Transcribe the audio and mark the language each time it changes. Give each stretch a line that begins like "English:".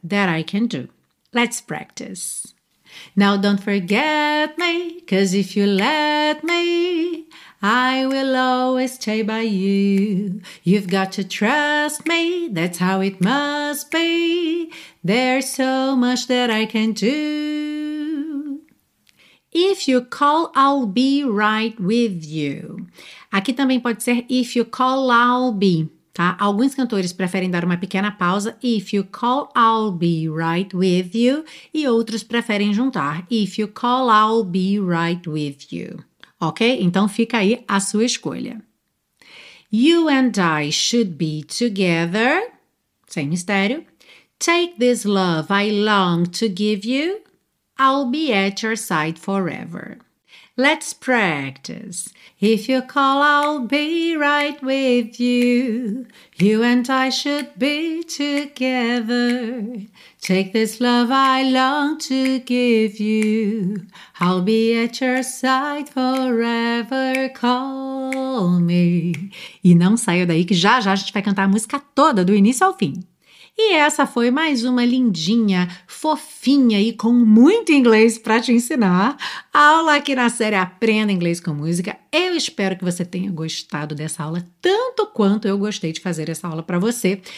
English: That I can do. Let's practice. Now don't forget me, 'cause if you let me, I will always stay by you. You've got to trust me, that's how it must be. There's so much that I can do. If you call, I'll be right with you.
Portuguese: Aqui também pode ser
English: if you call, I'll be.
Portuguese: Tá? Alguns cantores preferem dar uma pequena pausa,
English: if you call, I'll be right with you,
Portuguese: e outros preferem juntar, if you call, I'll be right with you. Ok? Então fica aí a sua escolha.
English: You and I should be together,
Portuguese: sem mistério.
English: Take this love I long to give you, I'll be at your side forever. Let's practice. If you call, I'll be right with you. You and I should be together. Take this love I long to give you. I'll be at your side forever. Call me.
Portuguese: E não saia daí que já já a gente vai cantar a música toda, do início ao fim. E essa foi mais uma lindinha, fofinha e com muito inglês para te ensinar. Aula aqui na série Aprenda Inglês com Música. Eu espero que você tenha gostado dessa aula tanto quanto eu gostei de fazer essa aula para você.